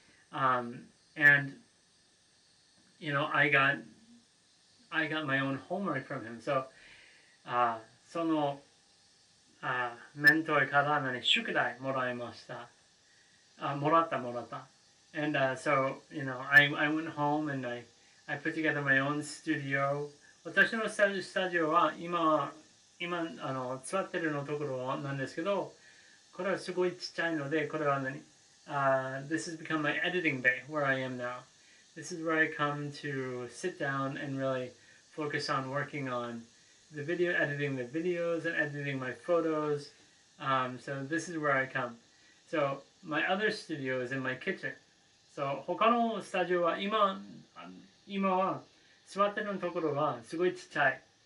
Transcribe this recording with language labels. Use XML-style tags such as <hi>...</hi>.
<en>And you know, I got my own homework from him.</en> <ja>So, そのメンターから宿題もらいました。もらった。</ja> <en>And so, you know, I went home and I put together my own studio.</en> <ja>私のスタジオは今座ってるのところなんですけど、これはすごいちっちゃいので、これは何、</ja> <en>this has become my editing bay where I am now. This is where I come to sit down and really focus on working on the video, editing the videos and editing my photos. So this is where I come. So my other studio is in my kitchen.</en> <ja>そう、他のスタジオは今は座ってるところはすごいちっちゃい。</ja>